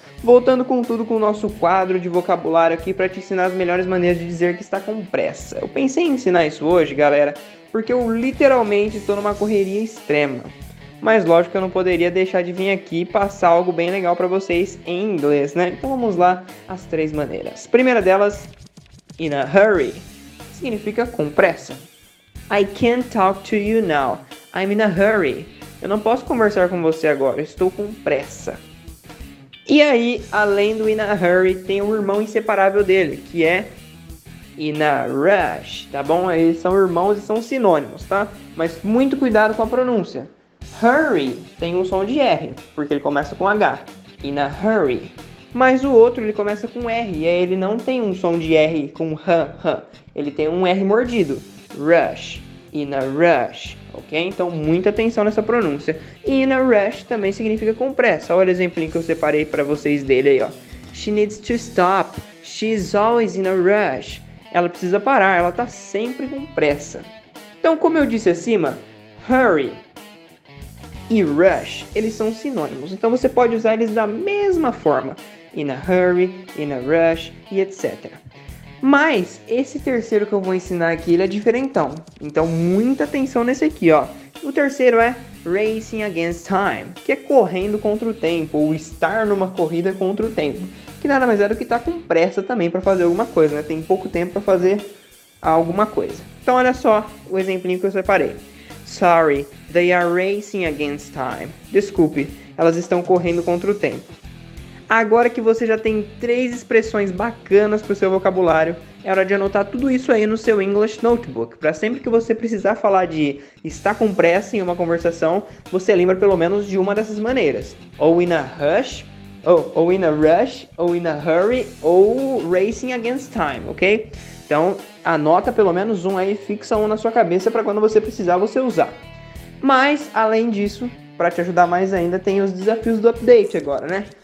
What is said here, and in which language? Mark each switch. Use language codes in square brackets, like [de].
[pt] Voltando com tudo com o nosso quadro de vocabulário aqui para te ensinar as melhores maneiras de dizer que está com pressa. Eu pensei em ensinar isso hoje, galera, porque eu literalmente estou numa correria extrema. Mas lógico que eu não poderia deixar de vir aqui e passar algo bem legal para vocês em inglês, né? Então vamos lá, as três maneiras. Primeira delas, [en] in a hurry, [pt] significa com pressa. [en] I can't talk to you now, I'm in a hurry. [pt] Eu não posso conversar com você agora, estou com pressa. E aí, além do [en] in a hurry, [pt] tem o irmão inseparável dele, que é [en] in a rush, [pt] tá bom? Eles são irmãos e são sinônimos, tá? Mas muito cuidado com a pronúncia. Hurry tem um som de R, porque ele começa com H, [en] in a hurry. [pt] Mas o outro, ele começa com R, e aí ele não tem um som de R com H, H. Ele tem um R mordido, [en] rush, in a rush, [pt] ok? Então, muita atenção nessa pronúncia. E [en] in a rush [pt] também significa com pressa. Olha o exemplinho que eu separei pra vocês dele aí, ó. [en] She needs to stop, she's always in a rush. [pt] Ela precisa parar, ela tá sempre com pressa. Então, como eu disse acima, hurry e rush, eles são sinônimos, então você pode usar eles da mesma forma, [en] in a hurry, in a rush, [pt] e etc. Mas, esse terceiro que eu vou ensinar aqui, ele é diferentão, então muita atenção nesse aqui, ó. O terceiro é [en] racing against time, [pt] que é correndo contra o tempo, ou estar numa corrida contra o tempo, que nada mais é do que estar com pressa também para fazer alguma coisa, né? Tem pouco tempo para fazer alguma coisa. Então olha só o exemplinho que eu separei. [en] Sorry, they are racing against time. [pt] Desculpe, elas estão correndo contra o tempo. Agora que você já tem três expressões bacanas para o seu vocabulário, é hora de anotar tudo isso aí no seu English Notebook. Para sempre que você precisar falar de estar com pressa em uma conversação, você lembra pelo menos de uma dessas maneiras. Ou [en] in a rush, [pt] ou in a rush, ou [en] in a hurry, [pt] ou [en] racing against time, [pt] ok? Então, anota pelo menos um aí, fixa um na sua cabeça para quando você precisar você usar. Mas, além disso, para te ajudar mais ainda, tem os desafios do update agora, né?